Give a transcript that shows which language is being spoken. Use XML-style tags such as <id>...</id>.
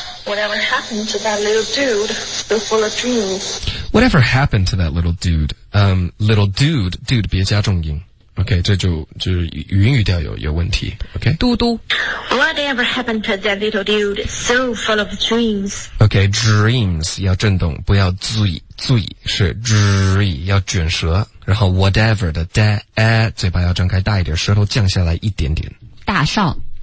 <en>Whatever happened to that little dude, so full of dreams. Whatever happened to that little dude? Little dude, dude 别加重音。</en> <zh>OK, 这就语音语调有问题。</zh> <en>OK?</en> <zh>嘟嘟。</zh> <en>Whatever happened to that little dude, so full of dreams.</en> <zh>OK, dreams, 要震动不要醉醉是 dree, 要卷舌。然后 whatever 的 da, 嘴巴要张开大一点舌头降下来一点点。大上。</zh>